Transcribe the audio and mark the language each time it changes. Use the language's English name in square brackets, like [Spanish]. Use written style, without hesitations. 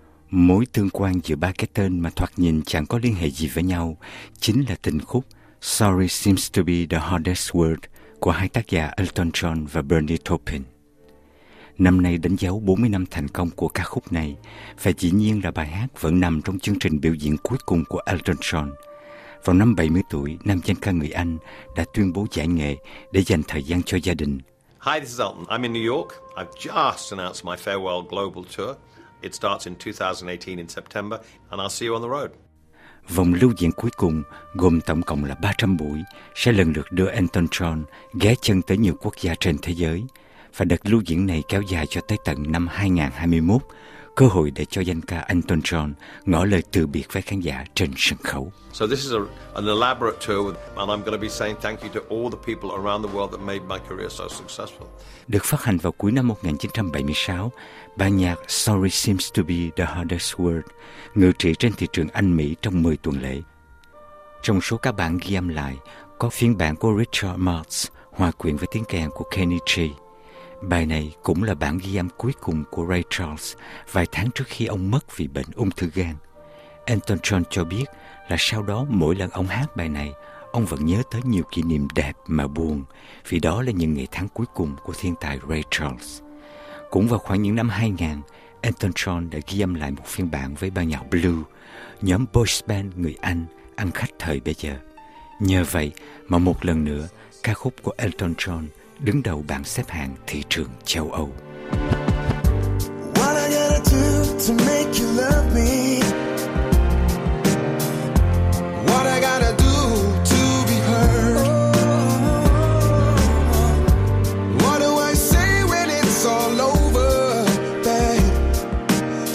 [Vietnamese] Mối tương quan giữa ba cái tên mà thoạt nhìn chẳng có liên hệ gì với nhau chính là tình khúc Sorry Seems to be the Hardest Word của hai tác giả Elton John và Bernie Taupin. Năm nay đánh dấu 40 năm thành công của ca khúc này, và dĩ nhiên là bài hát vẫn nằm trong chương trình biểu diễn cuối cùng của Elton John. Vào năm 70 tuổi, nam danh ca người Anh đã tuyên bố giải nghệ để dành thời gian cho gia đình. [English] Hi, this is Elton. I'm in New York. I've just announced my farewell global tour. It starts in 2018 in September, and I'll see you on the road. [Vietnamese] Vòng lưu diễn cuối cùng, gồm tổng cộng là 300 buổi, sẽ lần lượt đưa Elton John ghé chân tới nhiều quốc gia trên thế giới. Và đợt lưu diễn này kéo dài cho tới tận năm 2021, cơ hội để cho danh ca Elton John ngỏ lời từ biệt với khán giả trên sân khấu. [English] So this is an elaborate tour, and I'm going to be saying thank you to all the people around the world that made my career so successful. [Vietnamese] Được phát hành vào cuối năm 1976, bản nhạc Sorry Seems to be the Hardest Word ngự trị trên thị trường Anh Mỹ trong 10 tuần lễ. Trong số các bản ghi âm lại, có phiên bản của Richard Marx hòa quyện với tiếng kèn của Kenny G. Bài này cũng là bản ghi âm cuối cùng của Ray Charles vài tháng trước khi ông mất vì bệnh ung thư gan. Elton John cho biết là sau đó mỗi lần ông hát bài này, ông vẫn nhớ tới nhiều kỷ niệm đẹp mà buồn, vì đó là những ngày tháng cuối cùng của thiên tài Ray Charles. Cũng vào khoảng những năm 2000, Elton John đã ghi âm lại một phiên bản với ban nhạc Blue, nhóm boys band người Anh ăn khách thời bây giờ. Nhờ vậy mà một lần nữa, ca khúc của Elton John đứng đầu bảng xếp hạng thị trường châu Âu. [English] What I gotta do to make you love me? What I gotta do to be heard? What do I say when it's all over, babe?